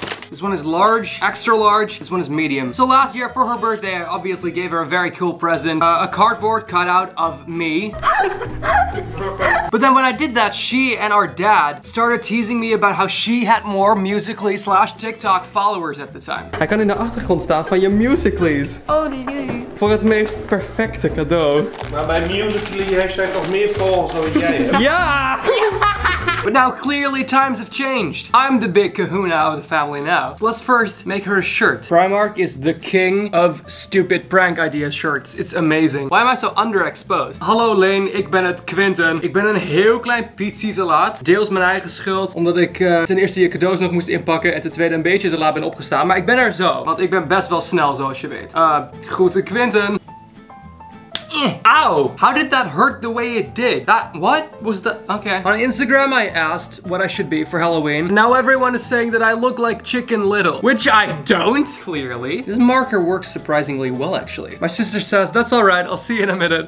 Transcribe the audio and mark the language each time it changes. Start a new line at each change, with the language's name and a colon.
English: This one is large, extra large, this one is medium. So last year for her birthday, I obviously gave her a very cool present, a cardboard cutout of me. But then when I did that, she and our dad started teasing me about how she had more Musical.ly / TikTok followers at the time.
Dutch: Hij kan in de achtergrond staan van je Musical.ly's. Oh nee. Voor het meest perfecte cadeau. Maar bij Musical.ly heeft zij toch meer volgers dan jij. Ja!
English: But now clearly times have changed. I'm the big kahuna of the family now. So let's first make her a shirt. Primark is the king of stupid prank idea shirts. It's amazing. Why am I so underexposed?
Dutch: Hallo Lane, ik ben het Quinten. Ik ben een heel klein pietsie te laat. Deels mijn eigen schuld, omdat ik ten eerste je cadeaus nog moest inpakken en ten tweede een beetje te laat ben opgestaan. Maar ik ben er zo, want ik ben best wel snel zoals je weet. Groeten Quinten. Ow!
English: How did that hurt the way it did? That, what was the, okay. On Instagram, I asked what I should be for Halloween. Now everyone is saying that I look like Chicken Little, which I don't, clearly. This marker works surprisingly well, actually. My sister says, that's all right, I'll see you in a minute.